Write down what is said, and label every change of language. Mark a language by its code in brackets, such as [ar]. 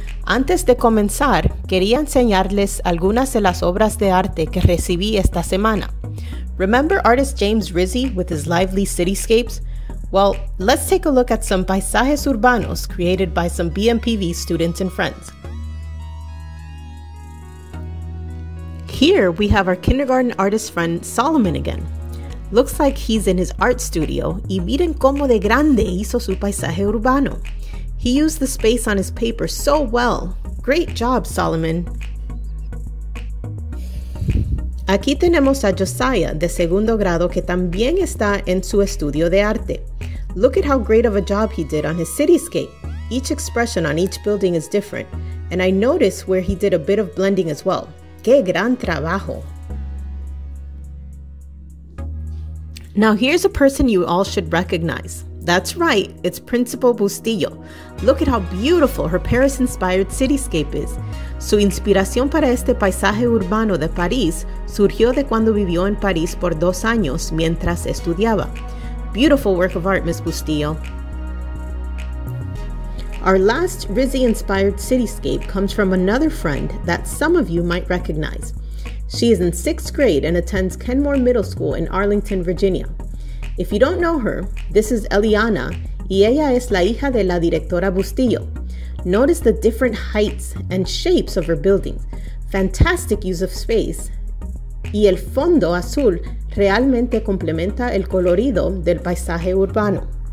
[es] Antes de comenzar, quería enseñarles algunas de las obras de arte que recibí esta semana. [en] Remember artist James Rizzi with his lively cityscapes? Well, let's take a look at some [es] paisajes urbanos [en] created by some BMPV students and friends. Here we have our kindergarten artist friend Solomon again. Looks like he's in his art studio, [es] y miren cómo de grande hizo su paisaje urbano. [en] He used the space on his paper so well. Great job, Solomon. [es] Aquí tenemos a Josiah de segundo grado que también está en su estudio de arte. [en] Look at how great of a job he did on his cityscape. Each expression on each building is different, and I notice where he did a bit of blending as well. [es] ¡Qué gran trabajo! [en] Now here's a person you all should recognize. That's right, it's Principal Bustillo. Look at how beautiful her Paris-inspired cityscape is. [es] Su inspiración para este paisaje urbano de París surgió de cuando vivió en París por 2 años mientras estudiaba. [en] Beautiful work of art, Ms. Bustillo. Our last Rizzi-inspired cityscape comes from another friend that some of you might recognize. She is in 6th grade and attends Kenmore Middle School in Arlington, Virginia. If you don't know her, this is Eliana, [es] y ella es la hija de la directora Bustillo. [en] Notice the different heights and shapes of her buildings. Fantastic use of space. [es] Y el fondo azul realmente complementa el colorido del paisaje urbano.